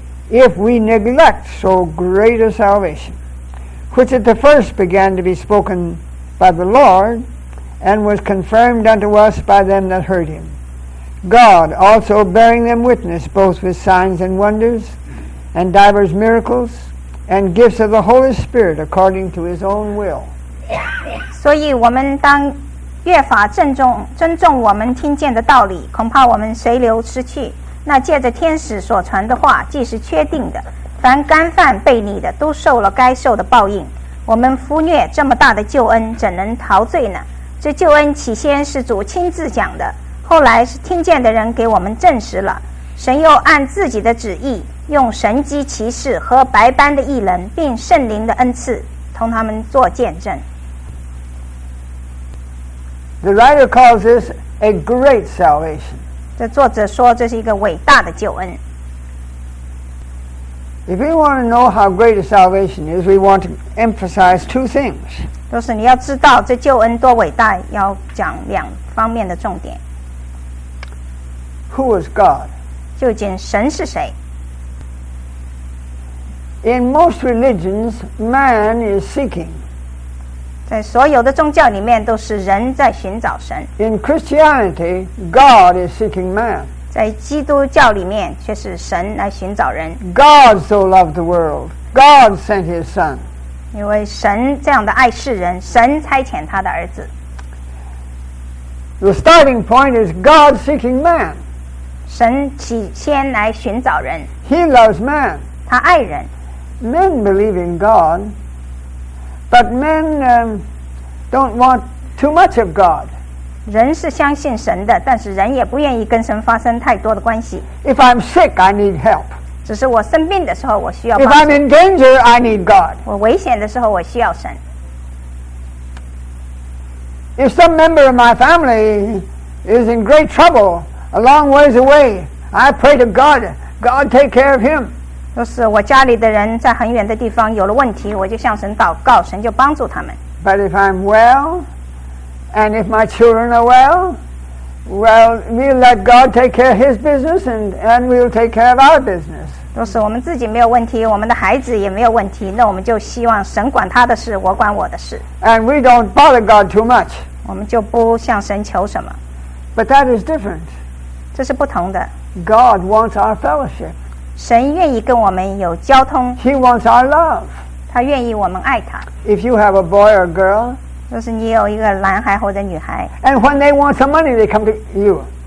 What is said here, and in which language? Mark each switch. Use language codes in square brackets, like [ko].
[en] if we neglect so great a salvation, which at the first began to be spoken by the Lord, and was confirmed unto us by them that heard him, God also bearing them witness both with signs and wonders, and divers miracles, and gifts of the Holy Spirit according to his own will. [zh] 所以我们当越发尊重我们听见的道理，恐怕我们随流失去那借着天使所传的话，既是确定的，凡干犯悖逆的都受了该受的报应。我们忽略这么大的救恩，怎能陶醉呢？这救恩起先是主亲自讲的，后来是听见的人给我们证实了，神又按自己的旨意，用神迹奇事和百般的异能并圣灵的恩赐同他们做见证。 [en] The writer calls this a great salvation. [zh] 这作者说这是一个伟大的救恩。 [en] If we want to know how great a salvation is, we want to emphasize two things. [zh] 就是你要知道这救恩多伟大，要讲两方面的重点。 [en] Who is God? [zh] 究竟神是谁？ [en] In most religions, man is seeking. [zh] 在所有的宗教里面都是人在寻找神。 [en] In Christianity, God is seeking man. [zh] 在基督教里面却是神来寻找人。 [en] God so loved the world, God sent his son. [zh] 因为神这样的爱世人，神差遣他的儿子。 [en] The starting point is God seeking man. [zh] 神起先来寻找人。 [en] He loves man. [zh] 他爱人。 [en] Men believe in God. But men don't want too much of God. [zh] 人是相信神的，但是人也不愿意跟神发生太多的关系。 [en] If I'm sick, I need help. [zh] 只是我生病的时候，我需要帮助。 [en] If I'm in danger, I need God. [zh] 我危险的时候，我需要神。 [en] If some member of my family is in great trouble, a long ways away, I pray to God, God take care of him. [zh] 若是我家里的人在很远的地方有了问题，我就向神祷告，神就帮助他们。 [en] But if I'm well, and if my children are well, well, we'll let God take care of His business, and we'll take care of our business. [zh] 若是我们自己没有问题，我们的孩子也没有问题，那我们就希望神管他的事，我管我的事。 [en] And we don't bother God too much. [zh] 我们就不向神求什么。 [en] But that is different. [zh] 这是不同的。 [en] God wants our fellowship. [zh] 神愿意跟我们有交通。 [en] He wants our love. [zh] 他愿意我们爱他。 [en] If you have a boy or a girl, [zh] 若是你有一个男孩或者女孩。 [en] And when they want some money, they come to you.